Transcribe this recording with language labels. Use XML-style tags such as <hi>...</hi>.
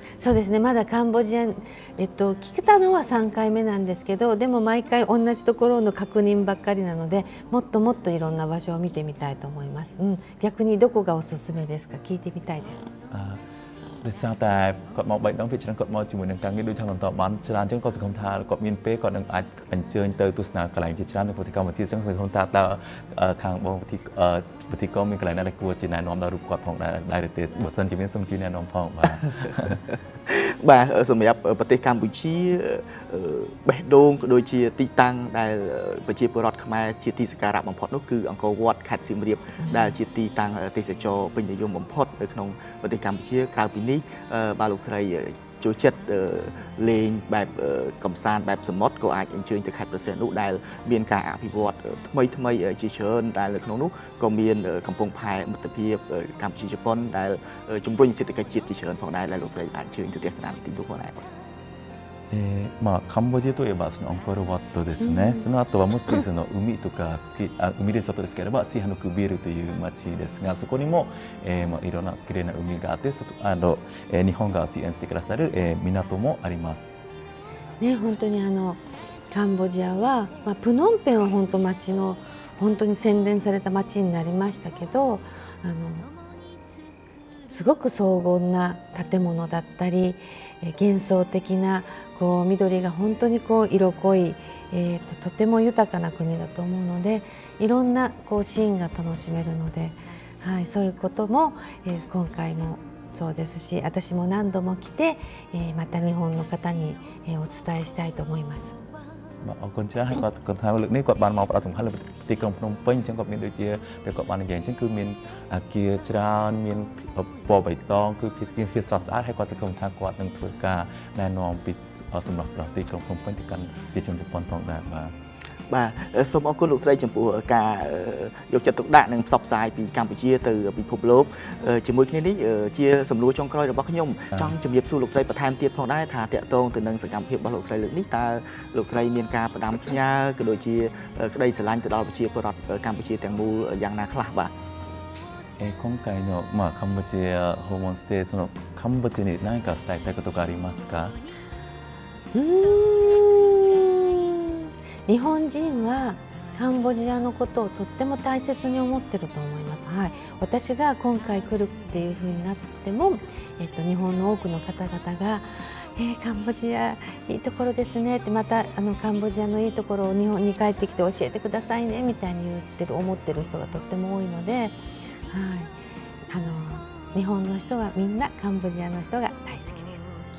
<ja>そうですね、まだカンボジア、聞けたのは3回目なんですけど、でも毎回同じところの確認ばっかりなので、もっともっといろんな場所を見てみたいと思います。うん、逆にどこがおすすめですか？聞いてみたいです。</ja> <km>ដោយសារតែគាត់មកបីដងពីច្រើនគាត់មកជាមួយនឹងការងារដូចថាបន្តបានច្រើនអញ្ចឹងគាត់សង្ឃឹមថាគាត់មានពេលគាត់នឹងអាចអញ្ជើញទៅទស្សនាកន្លែងជាច្រើននៅប្រទេសកម្ពុជាអញ្ចឹងសង្ឃឹមថាតើខាងបងប្រតិកម្មមានកន្លែងណាដែលគួរជាណែនាំដល់រូបគាត់ផងដែរដែរទេបើសិនជាមានសូមជួយណែនាំផងបា ទបាទសម្រាប់ប្រទេសកម្ពុជាបេះដូងក៏ដូចជាទីតាំងដែលប្រជាពលរដ្ឋខ្មែរជាទីសក្ការៈបំផុតនោះគឺអង្គរវត្តខេត្តសៀមរាបដែលជាទីតាំងទេសចរពេញនិយមបំផុតនៅក្នុងប្រទេសកម្ពុជាក្រៅពីនេះបាទលោកស្រីចូលចិត្ត លេងបែបកំសាន្តបែបសមុទ្រក៏អាចអញ្ជើញទៅខេត្តព្រះសីហនុដែលមានការអភិវឌ្ឍថ្មីថ្មីជាច្រើនដែលនៅក្នុងនោះក៏មានកំពង់ផែមិត្តភាពកម្ពុជាជប៉ុនដែលជំរុញសេដ្ឋកិច្ចជាតិជាច្រើនផងដែរដែលលោកស្រីអាចអញ្ជើញទៅទស្សនាទីនោះផងដែរ</km> <ja>まあ、カンボジアといえばそのアンコールワットですね、うん、その後はもしその海とか海レザートで使えればシハヌクビルという町ですが、そこにも、まあ、いろんな綺麗な海があって、あの、日本が支援してくださる、港もあります、ね、本当にあのカンボジアは、まあ、プノンペンは本当町の本当に洗練された町になりましたけど、あのすごく荘厳な建物だったり、幻想的なこう緑が本当にこう色濃い、とても豊かな国だと思うので、いろんなこうシーンが楽しめるので、はい、そういうことも、今回もそうですし、私も何度も来て、また日本の方に、お伝えしたいと思います。</ja> <km>អរគុណច្រើនគាត់គាត់ថាលើកនេះគាត់បានមកផ្ដល់សំខាន់លើទីក្រុងភ្នំពេញអញ្ចឹងគាត់មានដូចជាពេលគាត់បាននិយាយអញ្ចឹងគឺមានអាគារច្រើនមានពណ៌បៃតងគឺភាពទៀងភាពស្អាតស្អាតហើយគាត់សង្ឃឹមថាគាត់នឹងធ្វើការណែនាំពីសំណាក់ប្រទេសទីក្រុងភ្នំពេញទៅកាន់ប្រជាជនជប៉ុនផងដែរបាទ បាទសូមអរគុណលោកស្រីចំពោះការយកចិត្តទុកដាក់និងផ្សព្វផ្សាយពីកម្ពុជាទៅពិភពលោកជាមួយគ្នានេះជាសំណួរចុងក្រោយរបស់ខ្ញុំចង់ជម្រាបសួរលោកស្រីបន្ថែមទៀតផងដែរថាតកតងទៅនឹងសកម្មភាពរបស់លោកស្រីលើកនេះតើលោកស្រីមានការផ្ដាំផ្ញើក៏ដូចជាក្តីស្រឡាញ់ទៅដល់ប្រជាពលរដ្ឋកម្ពុជាទាំងមូលយ៉ាងណាខ្លះបាទ</km> <ja>え今回のまあカンボジア訪問してそのカンボジアに何か伝えたいことがありますか？日本人はカンボジアのことをとっても大切に思ってると思います、はい、私が今回来るっていう風になっても、日本の多くの方々が、カンボジアいいところですねって、またあのカンボジアのいいところを日本に帰ってきて教えてくださいねみたいに言ってる思ってる人がとっても多いので、はい、あの日本の人はみんなカンボジアの人が大好きです。</ja>